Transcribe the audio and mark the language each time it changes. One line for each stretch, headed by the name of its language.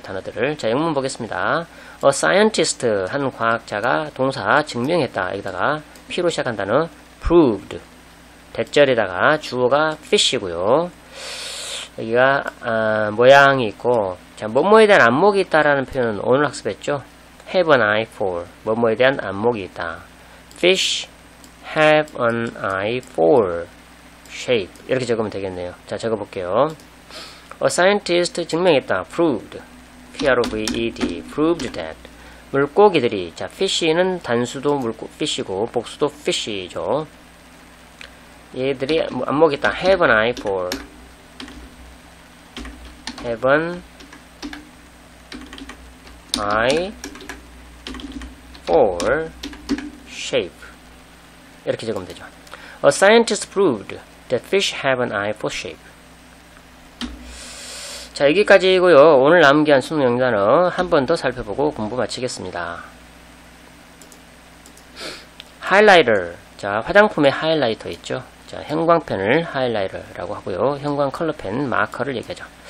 Korean: 단어들을 자 영문 보겠습니다. A scientist 한 과학자가 동사 증명했다. 여기다가 P로 시작한 단어 proved 대절에다가 주어가 fish이고요. 여기가 모양이 있고 자 뭐뭐에 대한 안목이 있다라는 표현은 오늘 학습했죠. Have an eye for 뭐뭐에 대한 안목이 있다.
English: Fish have an eye for shape.
Korean: 이렇게 적으면 되겠네요. 자, 적어볼게요. A scientist 증명했다.
English: Proved. P-R-O-V-E-D. Proved that. 물고기들이.
Korean: 자, fish는 단수도 물고, fish이고, 복수도 fish이죠.
English: 얘들이 안목이 있다. Have an eye for. Have an eye for shape. 이렇게 적으면 되죠. A scientist proved that fish have an eye for shape.
Korean: 자, 여기까지이고요. 오늘 암기한 수능 영단어 한 번 더 살펴보고 공부 마치겠습니다. 하이라이터. 자, 화장품에 하이라이터 있죠. 자, 형광펜을 하이라이터라고 하고요. 형광 컬러펜 마커를 얘기하죠.